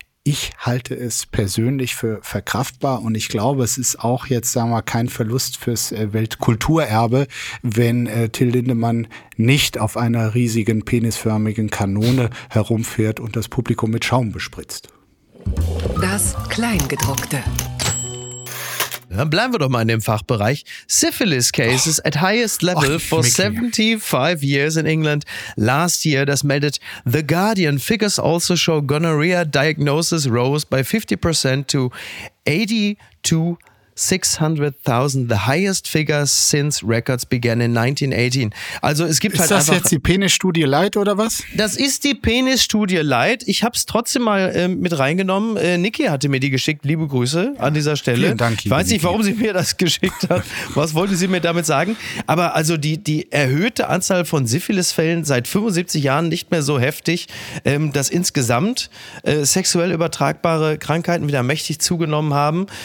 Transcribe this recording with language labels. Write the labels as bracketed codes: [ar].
[de] Ich halte es persönlich für verkraftbar und ich glaube, es ist auch jetzt, sagen wir, kein Verlust fürs Weltkulturerbe, wenn Till Lindemann nicht auf einer riesigen penisförmigen Kanone herumfährt und das Publikum mit Schaum bespritzt. Das Kleingedruckte. Dann bleiben wir doch mal in dem Fachbereich. [en] Syphilis cases at highest level for 75 years in England last year. [de] Das meldet [en] The Guardian. Figures also show gonorrhea diagnosis rose by 50% to 82,600,000, the highest figure since records began in 1918. [de] Also es gibt ist halt das einfach jetzt die Penisstudie Light oder was? Das ist die Penisstudie Light. Ich habe es trotzdem mal mit reingenommen. Niki hatte mir die geschickt. Liebe Grüße an dieser Stelle. Vielen Dank, ich weiß nicht, warum sie mir das geschickt hat. Was wollte sie mir damit sagen? Aber also die erhöhte Anzahl von Syphilisfällen seit 75 Jahren nicht mehr so heftig, dass insgesamt sexuell übertragbare Krankheiten wieder mächtig zugenommen haben.